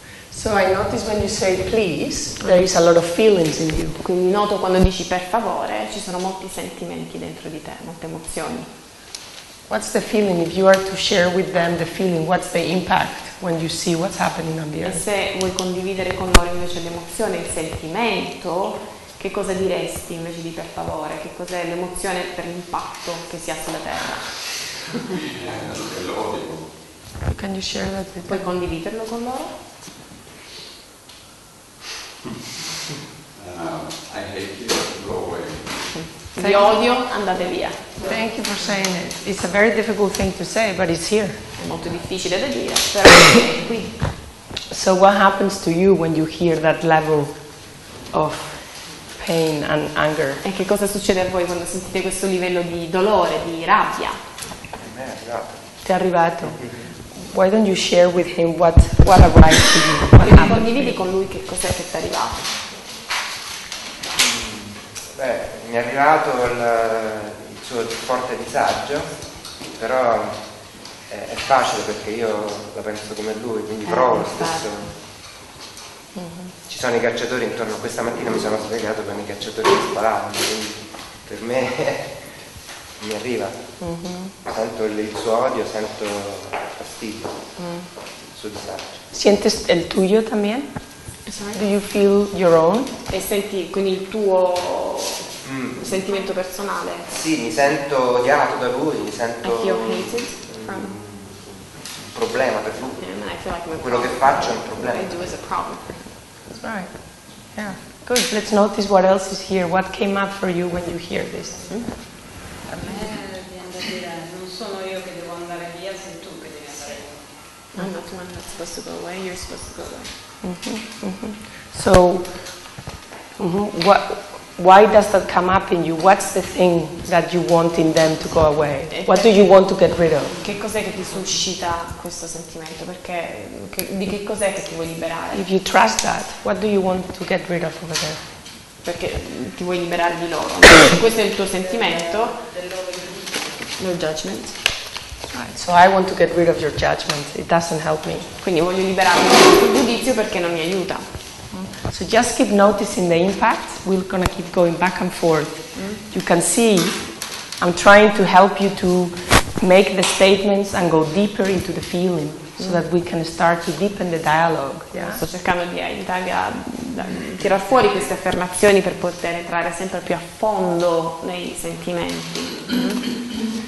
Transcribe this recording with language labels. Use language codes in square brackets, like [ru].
[en] So I notice when you say please, there is a lot of feelings in you. [it] Quindi noto quando dici per favore, ci sono molti sentimenti dentro di te, molte emozioni. [en] What's the feeling if you are to share with them the feeling? What's the impact when you see what's happening on the earth? [it] E se vuoi condividere con loro invece l'emozione, il sentimento, che cosa diresti invece di per favore? Che cos'è l'emozione per l'impatto che si ha sulla terra? L'odio. [en] Can you share that with them? [it] Puoi condividerlo con loro? [en] I hate you. Go away. [it] Di odio, andate via. [en] Thank you for saying it. It's a very difficult thing to say, but it's here. [it] È molto difficile da dire, però è qui. [en] So what happens to you when you hear that level of pain and anger? [it] E che cosa succede a voi quando sentite questo livello di dolore, di rabbia? Ti è arrivato. [en] Why don't you share with him what arrived to you? [it] Condividi con lui che cos'è che ti è arrivato. Beh, mi è arrivato il suo forte disagio, però è facile perché io la penso come lui, quindi provo lo stesso. Ci sono i cacciatori intorno, questa mattina mi sono svegliato con i cacciatori che sparavano, quindi per me mi arriva. Sento il suo odio, sento fastidio, il suo disagio. Senti il tuo también? [en] Do you feel your own? [it] E senti quindi il tuo sentimento personale? Sì, mi sento odiato da lui, mi sento un problema per lui. Quello che faccio è un problema. [en] What I do is a problem. That's right. Yeah. Good. Let's notice what else is here. What came up for you when you hear this? [it] A me viene da dire, non sono io che devo andare via, sei tu che devi andare [en] via. I'm not the one that's supposed to go away, you're supposed to go away. So, why does that come up in you? What's the thing that you want in them to go away? What do you want to get rid of? [it] Che cos'è che ti suscita questo sentimento? Perché di che cos'è che ti vuoi liberare? [en] If you trust that, what do you want to get rid of over there? [it] Perché ti vuoi liberare di loro. Questo è il tuo sentimento. [en] No judgment. Right. So I want to get rid of your judgment. It doesn't help me. [it] Quindi voglio liberarmi dal tuo giudizio perché non mi aiuta. [en] So just keep noticing the impact. We're gonna keep going back and forth. You can see I'm trying to help you to make the statements and go deeper into the feeling so that we can start to deepen the dialogue. Yeah. [it] Sto cercando di aiutarvi a tirar fuori queste affermazioni per poter entrare sempre più a fondo nei sentimenti.